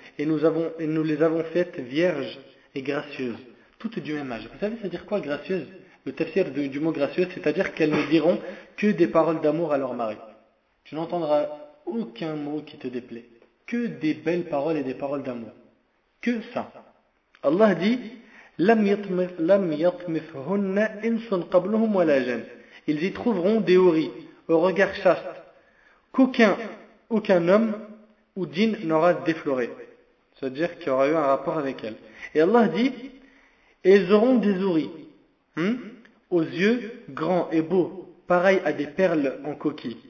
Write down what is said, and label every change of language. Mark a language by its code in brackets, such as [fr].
[fr] Et nous les avons faites vierges, et gracieuse, toutes du même âge. Vous savez, c'est-à-dire quoi, gracieuse? Le tafsir du mot gracieuse, c'est-à-dire qu'elles ne diront que des paroles d'amour à leur mari. Tu n'entendras aucun mot qui te déplaît. Que des belles paroles et des paroles d'amour. Que ça. Allah dit, [ar] لَمْ يَطْمِثْهُنَّ إِنْسٌ قَبْلُهُمْ وَلَا جَنْ. [fr] Ils y trouveront des houris, au regard chaste, qu'aucun homme ou djinn n'aura défloré. C'est-à-dire qu'il y aura eu un rapport avec elles. Et Allah dit, « Elles auront des houris, aux yeux grands et beaux, pareils à des perles en coquilles.